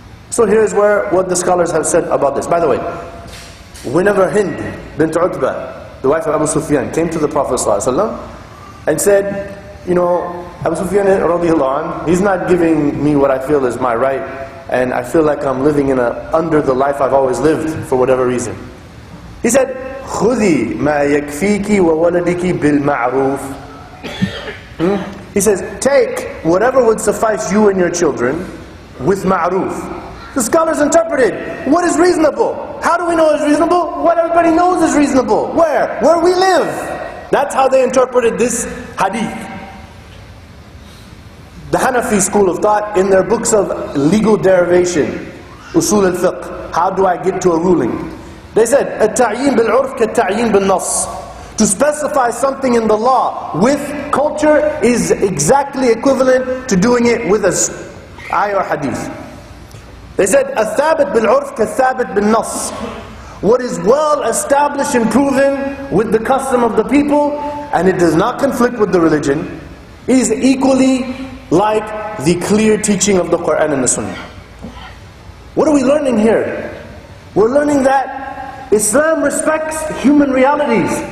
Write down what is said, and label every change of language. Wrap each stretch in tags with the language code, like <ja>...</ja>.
<en>So here's where what the scholars have said about this. By the way, whenever Hind bint Utbah, the wife of Abu Sufyan, came to the Prophet ﷺ and said, you know, Abu Sufyan radiallahu anhu, he's not giving me what I feel is my right, and I feel like I'm living in under the life I've always lived for whatever reason. He said,</en> <ar>خُذِي مَا يَكْفِيكِ وَوَلَدِكِ بِالْمَعْرُوفِ.</ar> <en>He says, take whatever would suffice you and your children with ma'ruf. The scholars interpreted, what is reasonable? How do we know it's reasonable? What everybody knows is reasonable. Where? Where we live. That's how they interpreted this hadith. The Hanafi school of thought, in their books of legal derivation, Usul al-Fiqh, how do I get to a ruling? They said,</en> <ar>التعيين بالعرف كالتعيين بالنص.</ar> <en>To specify something in the law with culture is exactly equivalent to doing it with an ayah or hadith. They said,</en> <ar>الثابت بالعرف كالثابت بالنص.</ar> <en>What is well established and proven with the custom of the people, and it does not conflict with the religion, is equally like the clear teaching of the Quran and the Sunnah. What are we learning here? We're learning that Islam respects human realities.</en>